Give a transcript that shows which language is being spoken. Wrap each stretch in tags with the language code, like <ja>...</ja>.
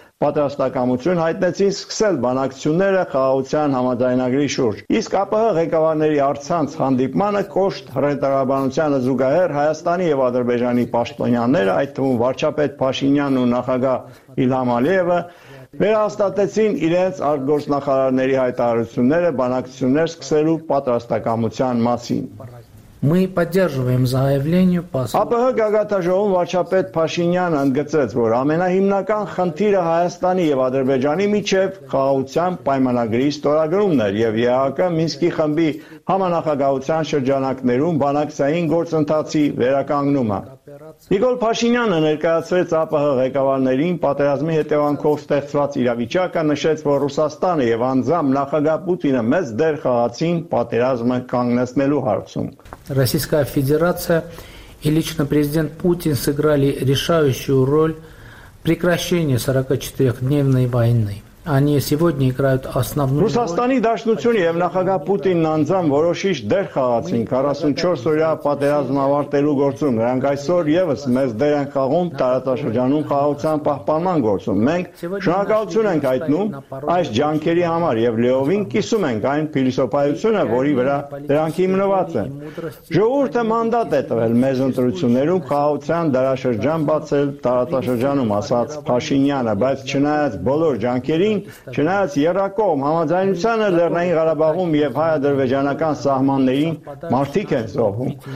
<hy>Պատրաստակամություն հայտնեցին սկսել բանակցությունները խաղաղության համաձայնագրի շուրջ։ Իսկ ԱՊՀ ղեկավարների առցանց հանդիպմանը կոշտ հրետարաբանությանը զուգահեռ Հայաստանի և Ադրբեջանի պաշտոնյաները, այդ թվում վարչապետ Փաշինյանն ու նախագահ Իլհամ Ալիևը, վերահաստատեցին իրենց արտգործնախարարների հայտարարությունները բանակցություններ սկսելու պատրաստակամության մասին։</hy> <ru>Мы поддерживаем заявление посла.</ru> <hy>ԱՊՀ գագաթաժողովի վարչապետ Փաշինյանը ընդգծեց, որ ամենահիմնական խնդիրը Հայաստանի և Ադրբեջանի միջև խաղաղության պայմանագրի ստորագրումն էր, և ԵԱԿ-ը, Մինսկի խմբի համանախագահության շրջանակներում բանակցային գործընթացի վերականգնումը։ Նիկոլ Փաշինյանը ներկայացրեց ԱՊՀ ղեկավարներին պատերազմի հետևանքով ստեղծված իրավիճակը, նշեց, որ Ռուսաստանը և անձամբ նախագահ Պուտինը մեծ դեր խաղացին պատերազմը կանգնեցնելու հարցում։</hy> <ru>Российская Федерация и лично президент Путин сыграли решающую роль в прекращении 44-дневной войны. Они сегодня играют основную роль.</ru> <hy>Ռուսաստանի Դաշնությունը եւ նախագահ Պուտինն անձամբ որոշիչ դեր խաղացին 44-օրյա պատերազմ ավարտելու գործում։ Նրանք այսօր եւս մեծ դեր են խաղում տարածաշրջանում խաղաղության պահպանման գործում։ Մենք շնորհակալություն ենք հայտնում այս ջանքերի համար եւ լեովին կիսում ենք այն փիլիսոփայությունը, որի վրա դրանք հիմնված են։ Ժողովուրդը մանդատ է տվել մեզ ընտրություններում խաղաղության դարաշրջան բացել տարածաշրջանում, ասաց Փաշինյանը, բայց չնայած բոլոր ջանքերին, չնայած եռակողմ համաձայնությանը Լեռնային Ղարաբաղում և հայ-ադրբեջանական սահմաններին մարդիկ են զոհում,</hy>